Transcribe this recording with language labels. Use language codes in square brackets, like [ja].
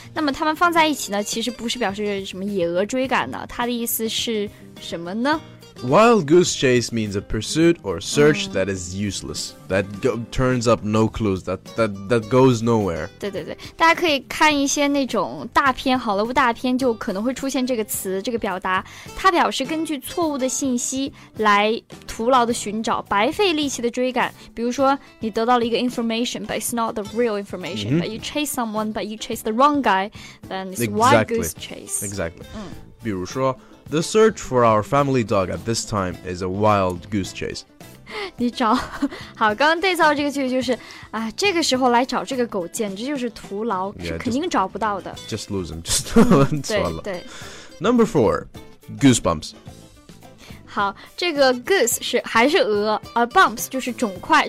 [zh] 那么他们放在一起呢其实不是表示什么野鹅追赶呢，它的意思是什么呢？ [en] Wild goose chase means a pursuit or search that is useless, that turns up no clues, that goes nowhere. [zh] 对对对，大家可以看一些那种大片，好莱坞大片就可能会出现这个词，这个表达，它表示根据错误的信息来徒劳的寻找，白费力气的追赶。比如说，你得到了一个 [en] information, but it's not the real information,、but you chase someone, but you chase the wrong guy, then it's wild goose chase. Exactly. [zh] 比如说 [en] The search for our family dog at this time is a wild goose chase. [zh] 你找好，刚刚对照这个句子就是啊，这个时候来找这个狗，简直就是徒劳， yeah, 是肯定找不到的。 [en] Just lose him, just lose him. [zh] 对对。 [en] Number four, goosebumps. [zh] 好，这个 goose 是还是鹅，而 bumps 就是肿块。